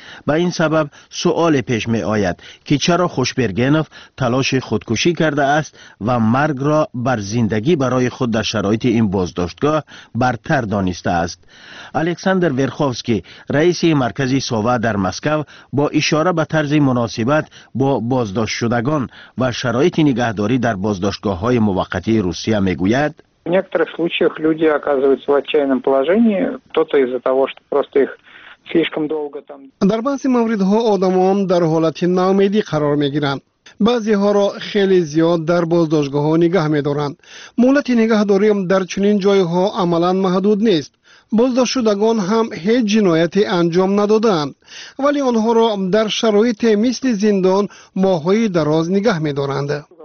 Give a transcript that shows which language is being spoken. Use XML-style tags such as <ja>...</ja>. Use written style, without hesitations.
<fa>به این سبب سؤال پیش می آید که چرا خوشبرگنف تلاش خودکشی کرده است و مرگ را بر زندگی برای خود در شرایط این بازداشتگاه برتر دانسته است. الکساندر ورخوفسکی رئیس مرکز و در مسکو با اشاره به طرز مناسبت با بازداشت شدگان و شرایط نگهداری در بازداشتگاه های موقتی روسیه می گوید</fa> <ru>در некоторых случаях люди оказываются в отчаянном положении кто-то из-за того что просто их слишком долго там</ru> <fa>در بعضی مواردها آدمان در حالت ناامیدی قرار می گیرند. بعضی ها را خیلی زیاد در بازداشتگاه ها نگه می دارند. مهلت نگهداری در چنین جای ها عملا محدود نیست. بازداشت شدگان هم هیچ جنایتی انجام ندادند، ولی آنها را در شرایط مثل زندان ماهای دراز نگه می دارند.</fa>